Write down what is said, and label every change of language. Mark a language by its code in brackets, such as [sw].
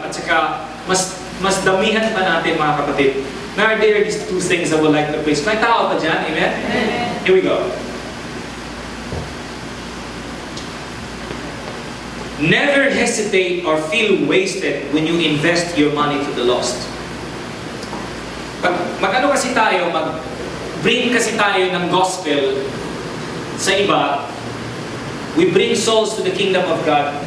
[tl] At saka, mas damihan pa natin mga kapatid. [en] Now, there are these two things I would like to preach. [tl] May tao pa dyan? Amen? [en] Amen. Here we go. Never hesitate or feel wasted when you invest your money to the lost. [tl] Mag-ano kasi tayo, mag-bring kasi tayo ng gospel sa iba. [en] We bring souls to the kingdom of God.